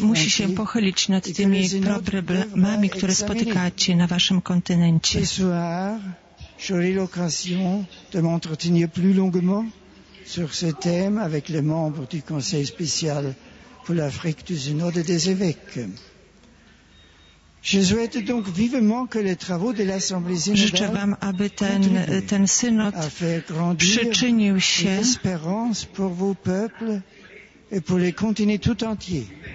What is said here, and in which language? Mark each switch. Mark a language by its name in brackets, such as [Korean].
[Polish] musi się pochylić nad tymi problemami, które spotykacie na waszym kontynencie. [French] J'aurai l'occasion de m'entretenir plus longuement sur ce thème avec les membres du Conseil spécial pour l'Afrique du Nord et des évêques. Je souhaite donc vivement que les travaux de l'Assemblée générale. [Polish] Życzę Wam, aby ten synod przyczynił się [French] l'espérance pour vos peuples et pour les continents tout entier.